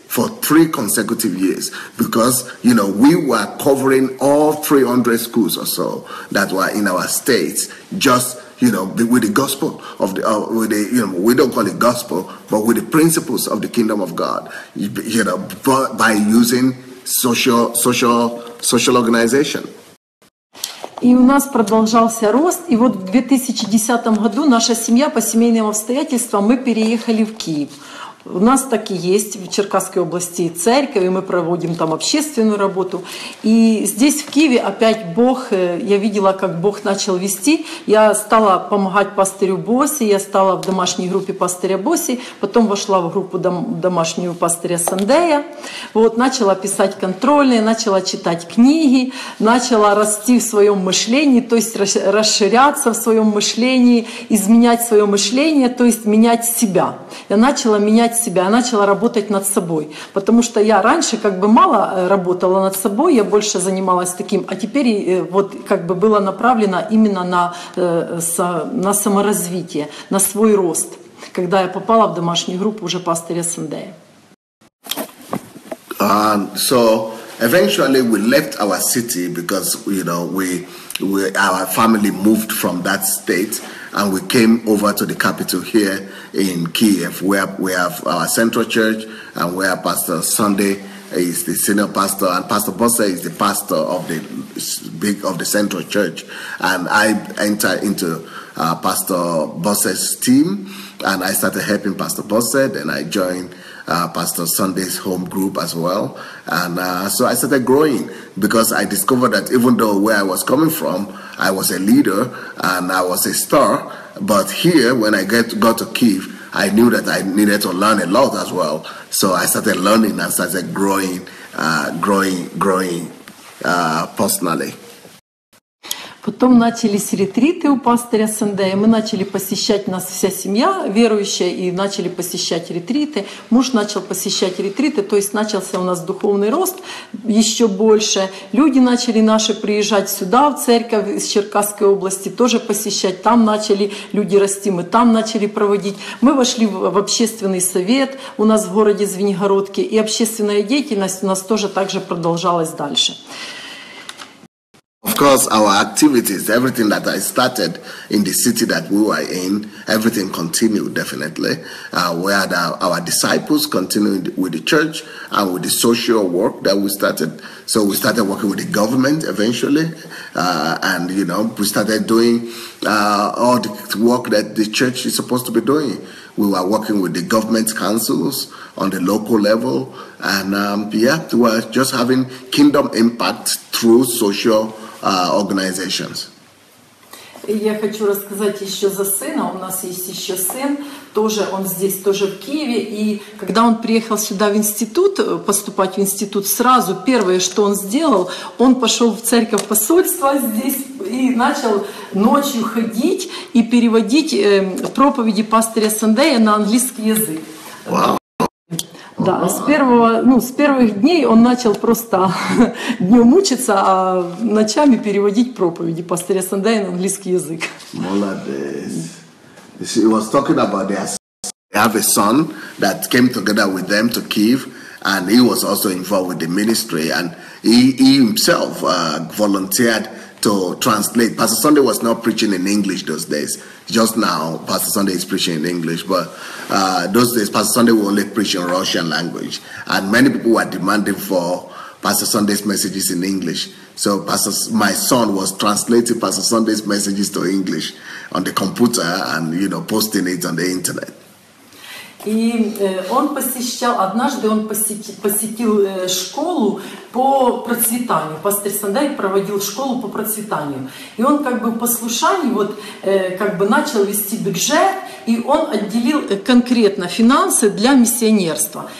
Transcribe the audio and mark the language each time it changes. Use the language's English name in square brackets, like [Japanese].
[English] For three consecutive years, because, you know, we were covering all 300 schools or so that were in our states, just, you know, with the gospel of the, with the, you know, we don't call it gospel, but with the principles of the kingdom of God, you know, by using social organization. [Russian] И у нас продолжался рост, и вот в 2010 году наша семья по семейным обстоятельствам мы переехали в Киев. У нас так и есть в Черкасской области церковь, и мы проводим там общественную работу. И здесь, в Киеве, опять Бог, я видела, как Бог начал вести. Я стала помогать пастырю Боси, я стала в домашней группе пастыря Боси, потом вошла в группу домашнюю пастыря Сандея. Вот, начала писать контрольные, начала читать книги, начала расти в своем мышлении, то есть расширяться в своем мышлении, изменять свое мышление, то есть менять себя. Я начала менять себя, я начала работать над собой. Потому что я раньше как бы мало работала над собой, я больше занималась таким, а теперь вот как бы было направлено именно на саморазвитие, на свой рост, когда я попала в домашнюю группу уже пастыря Сандея. [English] So eventually we left our city because, you know, our family moved from that state. And we came over to the capital here in Kiev, where we have our central church and where Pastor Sunday is the senior pastor and Pastor Bosse is the pastor of the central church. And I entered into Pastor Bosse's team and I started helping Pastor Bosse. Then I joined Pastor Sunday's home group as well. And so I started growing because I discovered that even though where I was coming from, I was a leader and I was a star, but here, when I got to Kiev, I knew that I needed to learn a lot as well. So I started learning and started growing personally. [Russian] Потом начались ретриты у пастыря Сандея, мы начали посещать, нас вся семья верующая, и начали посещать ретриты. Муж начал посещать ретриты, то есть начался у нас духовный рост еще больше. Люди начали наши приезжать сюда, в церковь из Черкасской области, тоже посещать. Там начали люди расти, мы там начали проводить. Мы вошли в общественный совет у нас в городе Звенигородке, и общественная деятельность у нас тоже так же продолжалась дальше. [English] Of course, our activities, everything that I started in the city that we were in, everything continued, definitely. We had our disciples continuing with the church and with the social work that we started. So we started working with the government eventually. And, you know, we started doing all the work that the church is supposed to be doing. We were working with the government councils on the local level. And, we were just having kingdom impact through social organizations. [Russian] Я хочу рассказать еще за сына. У нас есть еще сын, тоже он здесь, тоже в Киеве. И когда он приехал сюда в институт, поступать в институт, сразу первое, что он сделал, он пошел в церковь посольства здесь и начал ночью ходить и переводить проповеди пастыря Сандея на английский язык. [English] Wow. [Russian] Да, с первых дней он начал просто днем учиться, а ночами переводить проповеди пастыря Сандея на английский язык. Молодец. [English] You see, he was talking about they have a son that came together with them to Kiev, and he was also involved with the ministry, and he himself volunteered to translate. Pastor Sunday was not preaching in English those days. Just now, Pastor Sunday is preaching in English, but those days, Pastor Sunday will only preach in Russian language. And many people were demanding for Pastor Sunday's messages in English. So my son was translating Pastor Sunday's messages to English on the computer and, you know, posting it on the internet. [Russian] И он посещал, однажды он посетил школу по процветанию. Пастор Сандай проводил школу по процветанию. И он как бы в послушании вот, как бы начал вести бюджет, и он отделил конкретно финансы для миссионерства.